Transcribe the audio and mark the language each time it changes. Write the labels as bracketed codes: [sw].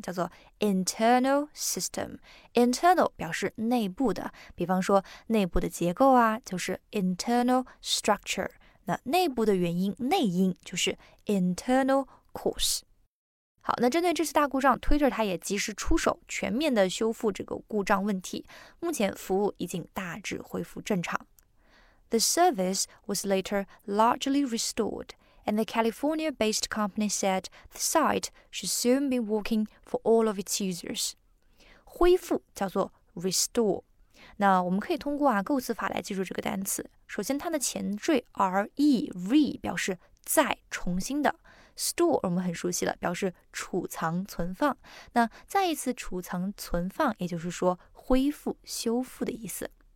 [zh] 叫做 internal system。internal 表示内部的，比方说内部的结构啊，就是 internal structure。那内部的原因，内因就是 internalcourse。好，那针对这次大故障， Twitter 它也及时出手，全面的修复这个故障问题，目前服务已经大致恢复正常。 [en] The service was later largely restored, and the California-based company said the site should soon be working for all of its users. [zh] 恢复叫做 restore。那我们可以通过啊构词法来记住这个单词。首先它的前缀 re 表示再重新的， store 我们很熟悉了，表示储藏存放。那再一次储藏存放，也就是说恢复修复的意思。